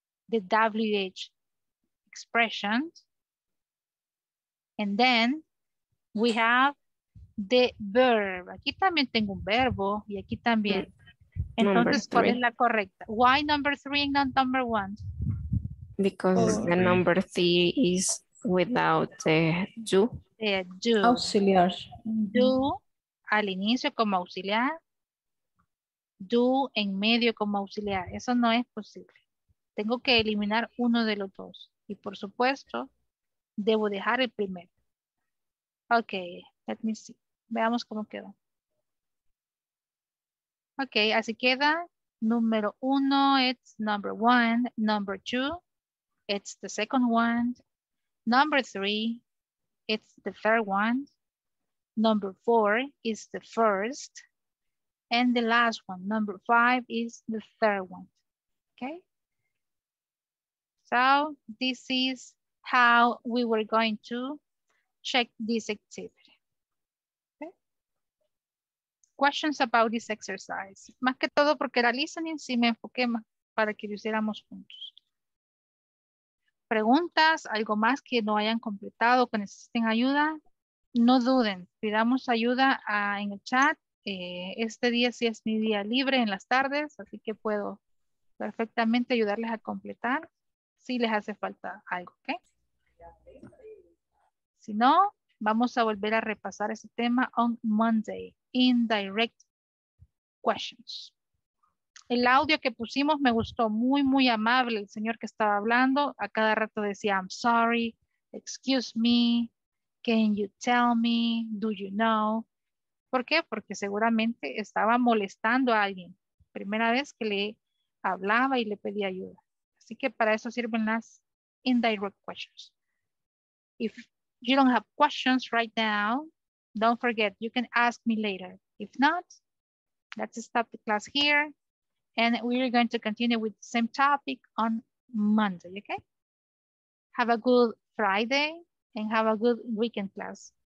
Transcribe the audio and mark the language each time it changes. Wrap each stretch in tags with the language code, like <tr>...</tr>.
<en>The WH. Expressions, and then we have the verb.</en> <es>Aquí también tengo un verbo y aquí también. Entonces, ¿cuál es la correcta?</es> <en>Why number three and not number one? Because the number three is without the do. The do.</en> <es>Auxiliar. Do al inicio como auxiliar. Do en medio como auxiliar. Eso no es posible. Tengo que eliminar uno de los dos. Y por supuesto, debo dejar el primero.</es> <en>Ok, let me see.</en> <es>Veamos cómo quedó. Ok, así queda. Número uno,</es> <en>it's number one. Number two, it's the second one. Number three, it's the third one. Number four is the first. And the last one, number five, is the third one. Ok. So this is how we were going to check this activity. Okay. Questions about this exercise.</en> <es>Más que todo porque era listening, sí me enfoqué más para que lo hiciéramos juntos. Preguntas, algo más que no hayan completado, que necesiten ayuda, no duden. Pidamos ayuda en el chat. Este día sí es mi día libre en las tardes, así que puedo perfectamente ayudarles a completar. Si les hace falta algo, ¿ok? Si no, vamos a volver a repasar ese tema</es> <en>on Monday.</en> <es>Indirect questions. El audio que pusimos me gustó. Muy, muy amable el señor que estaba hablando. A cada rato decía,</es> <en>I'm sorry, excuse me, can you tell me, do you know?</en> <es>¿Por qué? Porque seguramente estaba molestando a alguien. Primera vez que le hablaba y le pedía ayuda. Así que para eso sirven las indirect questions.</es> <en>If you don't have questions right now, don't forget, you can ask me later. If not, let's stop the class here. And we're going to continue with the same topic on Monday, okay? Have a good Friday and have a good weekend, class.</en>